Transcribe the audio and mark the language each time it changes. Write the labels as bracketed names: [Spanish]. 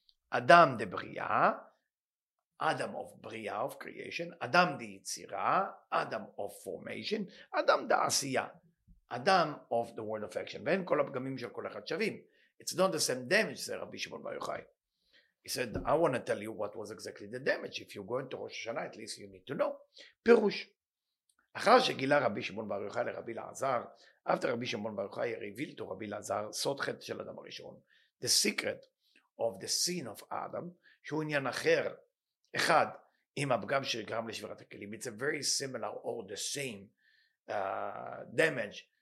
[Hebrew] אדם דה בריאה, אדם of בריאה, [English] of creation, [Hebrew] אדם דה יצירה, אדם [English] of formation, [Hebrew] אדם דה עשייה, אדם [English] of the world of action. [Hebrew] ואין כל הפגמים של כל אחד שווים. [English] It's not the same damage, [Hebrew] זה רבי שמעון בר יוחאי. [English] He said, I want to tell you what was exactly the damage. If you go into Rosh Hashanah, at least you need to know. [Hebrew] Pirush. אחר שגילה רבי שמעון בר יוחאי לרבי לעזר, [English] after רבי שמעון בר יוחאי revealed to רבי לעזר, [Hebrew] סוד חטא של אדם הראשון, [English] the secret of the sin of Adam, [Hebrew] שהוא עניין אחר, אחד, עם הפגם שגרם לשבירת הכלים. [English] It's a very similar or the same damage